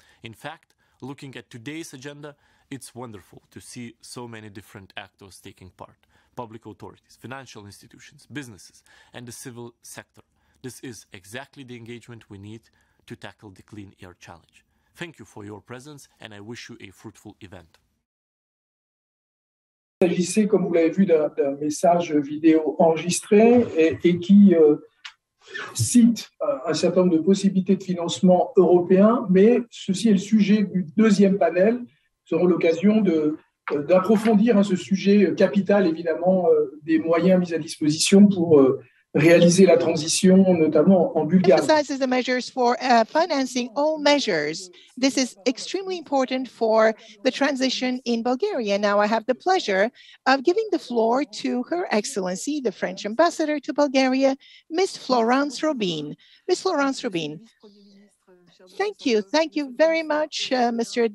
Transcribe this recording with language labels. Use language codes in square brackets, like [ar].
[en] In fact, looking at today's agenda, it's wonderful to see so many different actors taking part. Public authorities, financial institutions, businesses, and the civil sector. This is exactly the engagement we need to tackle the clean air challenge. Thank you for your presence, and I wish you a fruitful event. [fr] Il s'agissait, comme vous l'avez vu, d'un message vidéo enregistré et qui cite un certain nombre de possibilités de financement européen, mais ceci est le sujet du deuxième panel. Nous aurons l'occasion d'approfondir ce sujet capital, évidemment, des moyens mis à disposition pour réaliser la transition, notamment en Bulgarie. [en] Exercises the measures for financing all measures. This is extremely important for the transition in Bulgaria. Now I have the pleasure of giving the floor to Her Excellency, the French Ambassador to Bulgaria, Miss Florence Robine. Miss Florence Robine. Thank you. Thank you very much, Mr.